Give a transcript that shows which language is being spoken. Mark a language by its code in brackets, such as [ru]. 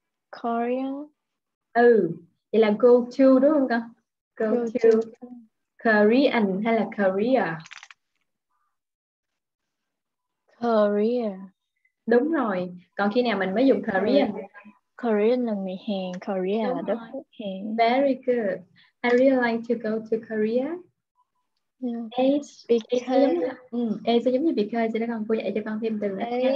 [en] Korean. [vi] Vậy là [en] go to [vi] đúng không con? [en] Go to. Korean [vi] hay là [en] career? Career. [vi] Đúng rồi. Còn khi nào mình mới dùng Korean? Korean là người Hàn. Korea là đất nước Hàn. [en] Very good. I really like to go to Korea. [vi] Because giống như because thì nó còn cô dạy cho con thêm từ là